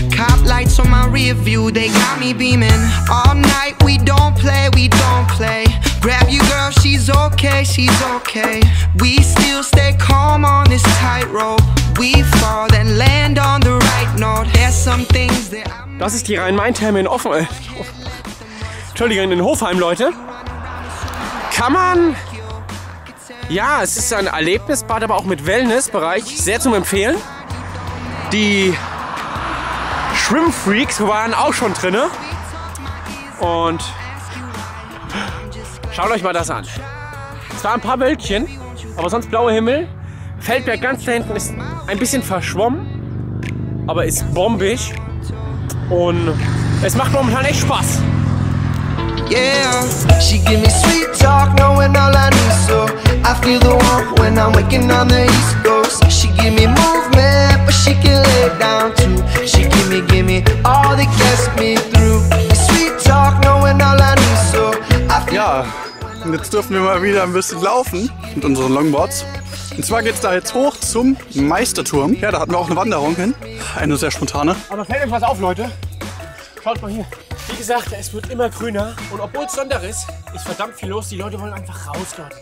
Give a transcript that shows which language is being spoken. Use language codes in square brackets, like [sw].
[en] Cop lights on my rear view, they got me beaming. All night we don't play, we don't play. Grab you girl, she's okay, she's okay. We still stay calm on this tightrope. We fall and land on the right note. There's some things that I'm... [de] Das ist die Rhein-Main-Therme in Hofheim. Entschuldigung, in Hofheim, Leute. [en] Come on! [de] Ja, es ist ein Erlebnisbad, aber auch mit Wellnessbereich. Sehr zum Empfehlen. Die Schwimmfreaks waren auch schon drin. Und schaut euch mal das an. Es waren ein paar Wölkchen, aber sonst blauer Himmel. Feldberg ganz da hinten ist ein bisschen verschwommen, aber ist bombig. Und es macht momentan echt Spaß. [en] Yeah, she give me sweet talk, knowing all I need, so I feel the warmth when I'm waking on the east coast. She give me movement, but she can lay it down too. She give me all that gets me through. Sweet talk, knowing all I need, so I feel... [de] Ja, und jetzt dürfen wir mal wieder ein bisschen laufen mit unseren Longboards. Und zwar geht's da jetzt hoch zum Meisterturm. Ja, da hatten wir auch eine Wanderung hin. Eine sehr spontane. Aber fällt euch was auf, Leute. Schaut mal hier. Wie gesagt, es wird immer grüner und obwohl es Sonntag ist, ist verdammt viel los. Die Leute wollen einfach raus, Leute.